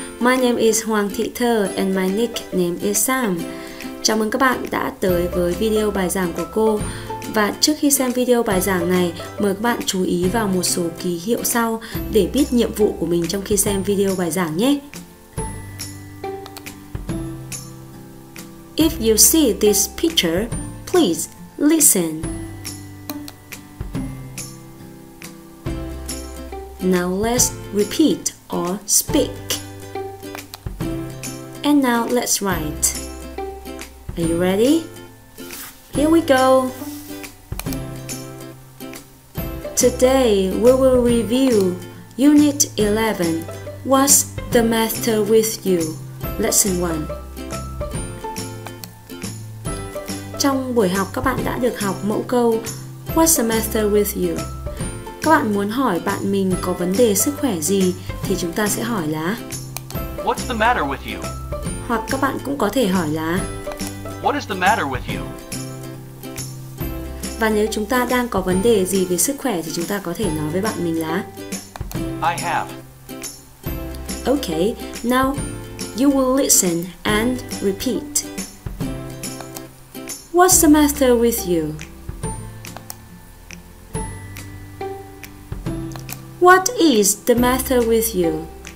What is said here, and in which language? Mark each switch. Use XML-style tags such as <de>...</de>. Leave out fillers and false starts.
<en>My name is Hoàng Thị Thơ and my nickname is Sam.</en> <vi>Chào mừng các bạn đã tới với video bài giảng của cô. Và trước khi xem video bài giảng này, mời các bạn chú ý vào một số ký hiệu sau để biết nhiệm vụ của mình trong khi xem video bài giảng nhé.</vi> <en>If you see this picture, please listen. Now let's repeat or speak. And now let's write. Are you ready? Here we go. Today we will review Unit 11. What's the matter with you? Lesson 1.</en> <vi>Trong buổi học các bạn đã được học mẫu câu</vi> <en>What's the matter with you?</en> <vi>Các bạn muốn hỏi bạn mình có vấn đề sức khỏe gì thì chúng ta sẽ hỏi là</vi> <en>What's the matter with you?</en> <vi>Hoặc các bạn cũng có thể hỏi là</vi> <en>What is the matter with you?</en> <vi>Và nếu chúng ta đang có vấn đề gì về sức khỏe thì chúng ta có thể nói với bạn mình là</vi> <en>I have. Okay, now you will listen and repeat. What's the matter with you? What is the matter with you?</en>